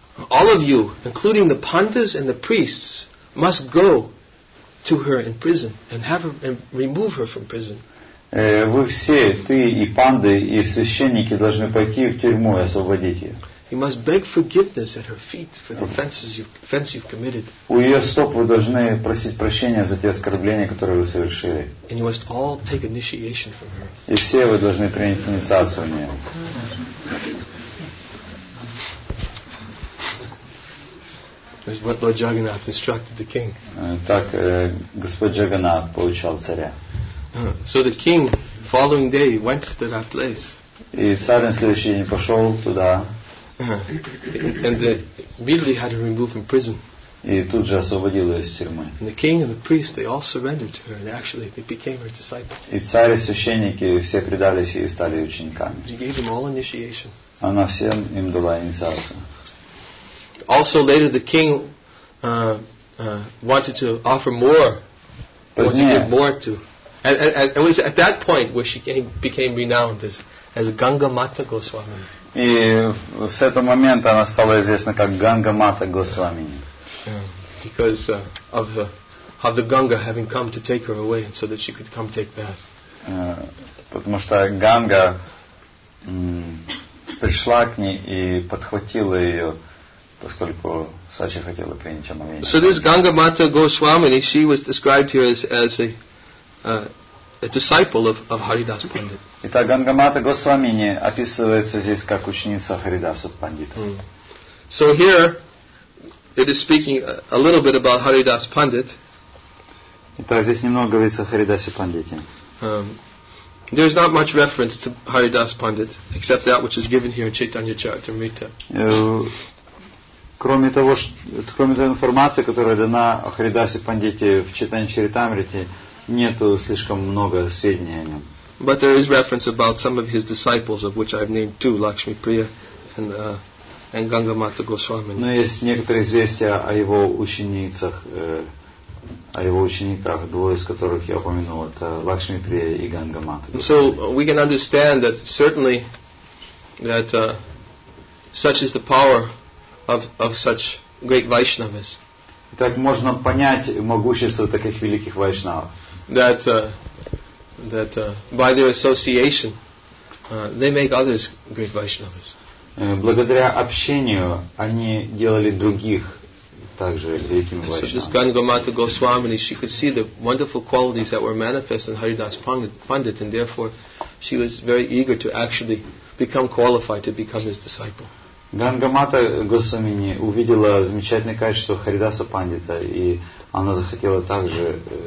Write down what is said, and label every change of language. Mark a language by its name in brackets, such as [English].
[English] All of you, including the pandas and the priests, must go to her in prison and have her and remove her from prison. [Russian] Вы все, ты и панды, и священники должны пойти в тюрьму и освободить ее. [English] You must beg forgiveness at her feet for the offense you've committed. [Russian] У ее стоп вы должны просить прощения за те оскорбления, которые вы совершили. [English] And you must all take initiation from her. [Russian] И все вы должны принять инициацию у нее. [English] This is what Lord Jagannath instructed the king. [Russian] Так Господь Джаганнат поучал царя. [English] So the king, following day, went to that place. [Russian] И царь на следующий день пошел туда. [English] And they immediately had her removed from prison. [Russian] И тут же освободил ее из тюрьмы. [English] And the king and the priest, they all surrendered to her, and actually they became her disciples. [Russian] И царь и священники все предались ей и стали учениками. [English] She gave them all initiation. [Russian] Она всем им дала инициацию. [English] Also later, the king wanted to offer more. [Russian] Позднее. [English] Wanted to give more to. And it was at that point where she became renowned as Ganga Mata Goswami. [Russian] И с этого момента она стала известна как Ганга Мата Госвами. [English] Because of the Ganga having come to take her away so that she could come take bath. [Russian] Потому что Ганга пришла к ней и подхватила ее, поскольку Сачи хотела принять омовение. [English] So this Ганга Мата Госвами, she was described here as a disciple of Haridas Pandit. [Russian] Итак, Гангамата Госвамини описывается здесь как ученица Харидаса Пандита. [English] So here it is speaking a little bit about Haridas Pandit. [Russian] Итак, здесь немного говорится о Харидасе Пандите. [English] There is not much reference to Haridas Pandit except that which is given here in Chaitanya Charitamrita. [Russian] Кроме той информации, которая дана о Харидасе Пандите в Чайтанья Чаритамрите, нету слишком много сведений о нем. [English] But there is reference about some of his disciples, of which I've named two, Lakshmi Priya and Ganga Mata Goswami. [Russian] Но есть некоторые известия о его ученицах, о его учениках, двое из которых я упомянул, это Лакшми Прия и Ганга Мата. [English] So we can understand that certainly that such is the power of such great Vaishnavas. [Russian] Так можно понять могущество таких великих вайшнавов. [English] That by their association, they make others great Vaishnavas. [Russian] Благодаря общению они делали других также великими Vaishnavas. [English] So this Ganga Mata Goswami, she could see the wonderful qualities that were manifest in Haridas Pandit, and therefore she was very eager to actually become qualified to become his disciple. [Russian] Гангамата Госвамини увидела замечательное качество Харидаса Пандита, и она захотела также